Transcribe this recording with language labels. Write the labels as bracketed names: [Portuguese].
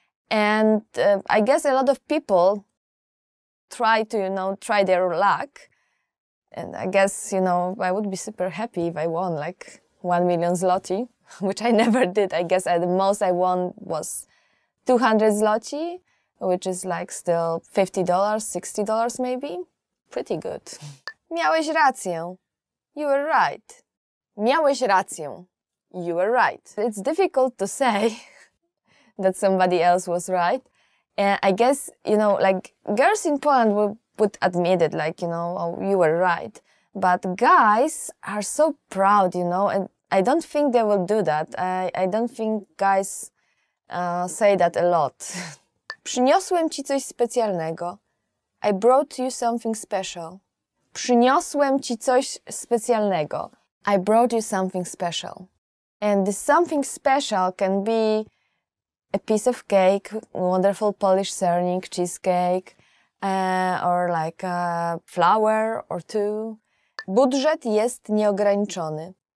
[English] And I guess a lot of people try to, you know, try their luck. And I guess, you know, I would be super happy if I won like 1 million zloty, which I never did. I guess the most I won was 200 zloty. Which is like still $50, $60 maybe. Pretty good. [Polish] Miałeś rację. [English] You were right. [Polish] Miałeś rację. [English] You were right. It's difficult to say that somebody else was right. And I guess, you know, like, girls in Poland would admit it, like, you know, oh, you were right. But guys are so proud, you know, and I don't think they will do that. I don't think guys say that a lot. [Polish] Przyniosłem ci coś specjalnego. [English] I brought you something special. [Polish] Przyniosłem ci coś specjalnego. [English] I brought you something special. And this something special can be a piece of cake, wonderful Polish sernik, cheesecake, or like a flower or two. [Polish] Budżet jest nieograniczony.